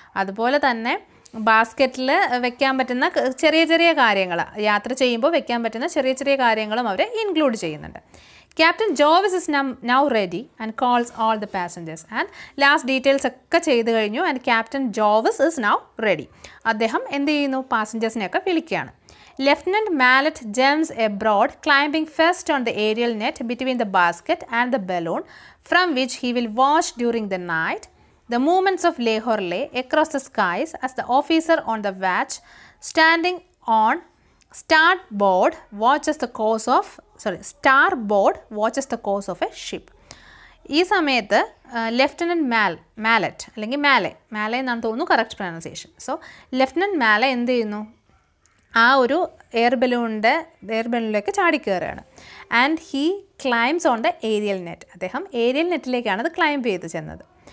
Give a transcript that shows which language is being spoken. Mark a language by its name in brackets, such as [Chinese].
[Malayalam] അതുപോലെ തന്നെ ബാസ്ക്കറ്റിൽ വെക്കാൻ പറ്റുന്ന ചെറിയ ചെറിയ കാര്യങ്ങൾ, യാത്ര ചെയ്യുമ്പോൾ വെക്കാൻ പറ്റുന്ന ചെറിയ ചെറിയ കാര്യങ്ങളും അവർ ഇൻക്ലൂഡ് ചെയ്യുന്നുണ്ട്. [English] captain Jovis is now ready and calls all the passengers, and last details [Malayalam] ഒക്കെ ചെയ്ത് കഴിഞ്ഞു. [English] and captain Jovis is now ready, [Malayalam] അദ്ദേഹം എന്ത് ചെയ്യുന്നു, പാസഞ്ചേഴ്സിനെയൊക്കെ വിളിക്കുകയാണ്. [English] Lieutenant Mallet jumps abroad climbing first on the aerial net between the basket and the balloon from which he will watch during the night the movements of Lehorle across the skies as the officer on the watch standing on starboard watches the course of starboard watches the course of a ship. [Malayalam] ഈ സമയത്ത് lieutenant mallet അല്ലെങ്കിൽ മാലെ എന്നാണ് തോന്നുന്നു correct pronunciation. So lieutenant മാലെ എന്ത് ചെയ്യുന്നു, ആ ഒരു air ബലൂണിലേക്ക് ചാടിക്കയറുകയാണ്. [English] and he climbs on the aerial net, [Malayalam] അദ്ദേഹം ഏരിയൽ നെറ്റിലേക്കാണ് അത് ക്ലൈംബ് ചെയ്ത് ചെന്നത്.